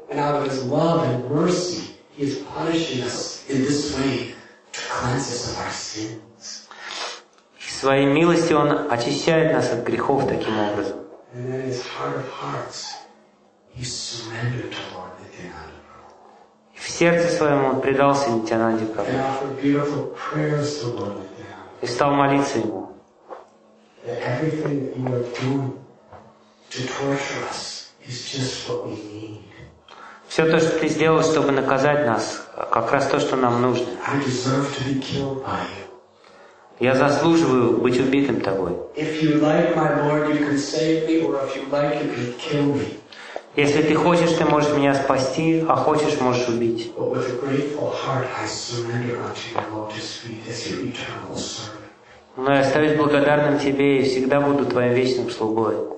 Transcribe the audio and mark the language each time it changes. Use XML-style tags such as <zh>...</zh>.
<en>And out of His love and mercy, He is punishing us in this way to cleanse us of our sins.</en> <ru>В своей милости Он очищает нас от грехов таким образом.</ru> <en>And in His heart of hearts, He surrendered to Lord Nityananda Prabhu.</en> <ru>В сердце своем Он предался Нитьянанде Прабху.</ru> <en>And offered beautiful prayers to Lord Nityananda Prabhu.</en> <ru>И стал молиться Ему.</ru> <en>That everything that you are doing to torture us is just what we need.</en> <ru>Все то, что ты сделал, чтобы наказать нас, как раз то, что нам нужно.</ru> <en>I deserve to be killed by you.</en> <ru>Я заслуживаю быть убитым тобой.</ru> <en>If you like, my Lord, you can save me, or if you like, you can kill me.</en> <ru>Если ты хочешь, ты можешь меня спасти, а хочешь, можешь убить.</ru> <en>But with a grateful heart, I surrender unto your lotus feet as your eternal servant.</en> <ru>Но я остаюсь благодарным Тебе и всегда буду Твоим вечным слугой.</ru>